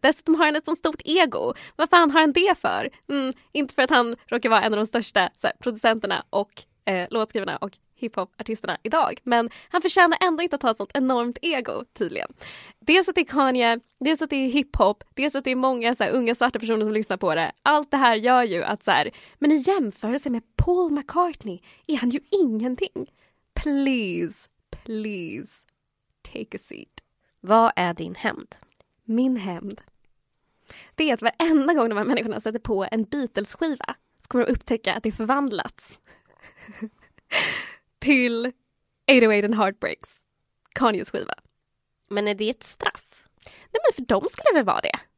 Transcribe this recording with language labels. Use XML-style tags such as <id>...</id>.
<sv>Dessutom har han ett så stort ego. Vad fan har han det för? Inte för att han råkar vara en av de största så här, producenterna och låtskrivarna och hiphopartisterna idag. Men han förtjänar ändå inte att ha sånt enormt ego, tydligen. Dels att det är Kanye, dels att det är hiphop, dels att det är många så här, unga svarta personer som lyssnar på det. Allt det här gör ju att så här, men i jämförelse med Paul McCartney är han ju ingenting.</sv> <en>Please, please, take a seat.</en> <sv>Vad är din hämnd? Min hämnd. Det är att varenda gång de här människorna sätter på en Beatles-skiva så kommer de upptäcka att det förvandlats till 808 and Heartbreaks, Kanyes skiva. Men är det ett straff? Nej, men för dem skulle det väl vara det.</sv>